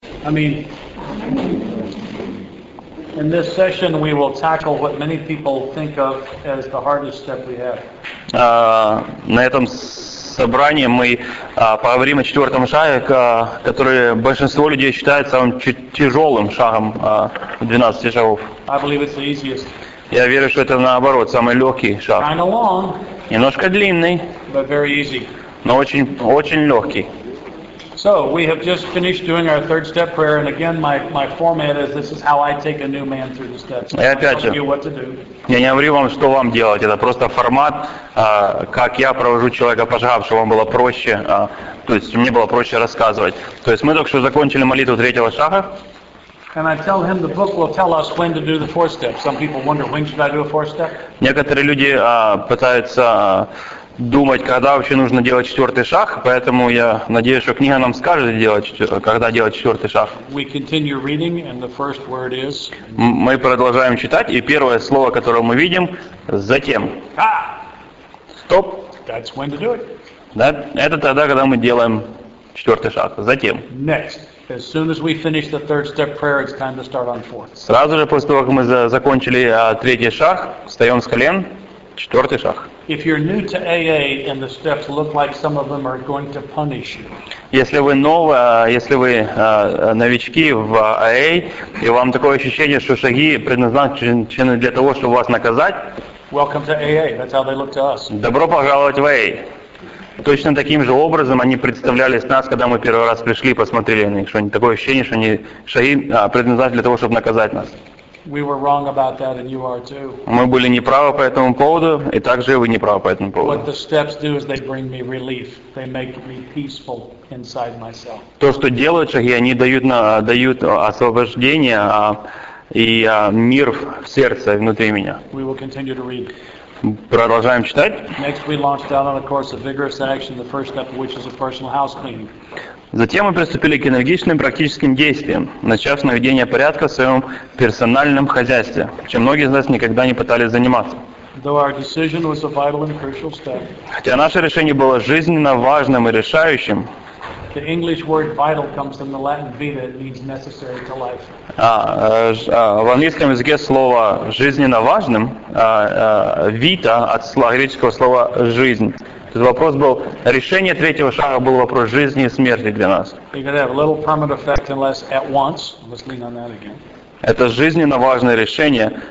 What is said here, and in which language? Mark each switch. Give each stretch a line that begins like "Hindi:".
English: I mean, in this session, we will tackle what many people think of as the hardest step we have.
Russian: На этом собрании мы поговорим о четвертом шаге, который большинство людей считает самым тяжелым шагом 12 шагов.
English: I believe it's the easiest.
Russian: Я верю, что это наоборот, самый легкий шаг.
English: Kind of long,
Russian: немножко длинный,
English: but very easy.
Russian: Но очень, очень легкий.
English: So we have just finished doing our third step prayer, and again, my format is this is how I take a new man through the steps.
Russian: И опять же, я не говорю вам, что вам делать. Это просто формат, как я провожу человека по шагам, чтобы вам было проще, то есть мне было проще рассказывать. То есть мы только что закончили молитву третьего шага.
English: And I tell him the book will tell us when to do the fourth step. Some people wonder when should I do a fourth step.
Russian: Некоторые люди пытаются думать, когда вообще нужно делать четвертый шаг, поэтому я надеюсь, что книга нам скажет, когда делать четвертый шаг.
English: We continue reading, and the first word is...
Russian: Мы продолжаем читать, и первое слово, которое мы видим, затем. Стоп.
English: That's when to do it.
Russian: Это тогда, когда мы делаем четвертый шаг. Затем.
English: Next. As soon as we finish the third step prayer, it's time to start on fourth.
Russian: Сразу же после того, как мы закончили третий шаг, встаем с колен. Четвертый шаг.
English: If you're new to AA and the steps look like some of them are going to punish you.
Russian: Если вы новые, если вы новички в AA, и вам такое ощущение, что шаги предназначены для того, чтобы вас наказать.
English: Welcome to AA. That's how they look to us.
Russian: Добро пожаловать в AA. Точно таким же образом они представлялись нас, когда мы первый раз пришли, посмотрели на них, что они такое ощущение, что они шаги предназначены для того, чтобы наказать нас.
English: We were wrong about that, and you are too.
Russian: Мы были неправы по этому поводу, и также вы неправы по этому поводу.
English: What the steps do is they bring me relief. They make me peaceful inside myself.
Russian: То, что делают шаги, они дают освобождение и мир в сердце внутри меня.
English: We will continue to read.
Russian: Продолжаем читать.
English: Next, we launched out on a course of vigorous action, the first step of which is a personal house cleaning.
Russian: Затем мы приступили к энергичным практическим действиям, начав с наведения порядка в своем персональном хозяйстве, чем многие из нас никогда не пытались заниматься.
English: Though our decision was a vital and crucial step,
Russian: хотя наше решение было жизненно важным и решающим,
English: the English word vital comes from the Latin vita, it means necessary to life.
Russian: В английском языке слово жизненно важным, vita от греческого слова жизнь. Тут вопрос был, решение третьего шага был вопрос жизни и смерти для нас. Это жизненно важное решение.